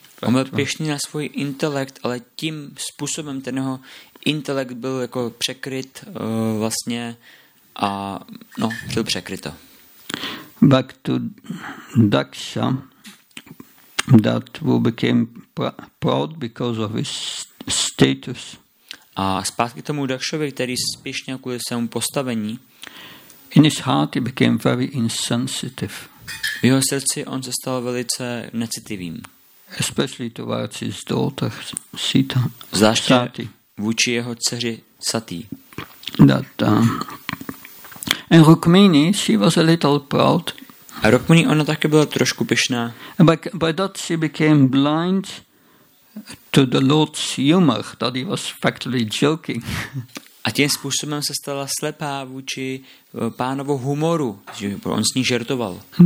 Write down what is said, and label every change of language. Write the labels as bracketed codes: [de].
[cs] On byl pyšný na svůj intelekt, ale tím způsobem ten jeho intelekt byl jako překryt vlastně a no, byl překryto. [en] Back to Daksha, that who became proud because of his status. [cs] A zpátky k tomu Dakšovi, který spíšněl kvůli svému postavení. [en] In his heart he became very insensitive. [cs] V jeho srdci on se stal velice necitivým. [en] Especially towards his daughter Sita. [cs] Zvláště vůči jeho dceři Satý. [en] And Rukmini, she was a little proud. [cs] A Rukmini, ona taky byla trošku pyšná. [en] By that she became blind to the Lord's humor, that he was factually joking. [cs] A tím způsobem se stala slepá vůči pánovu humoru, že on s ní žertoval.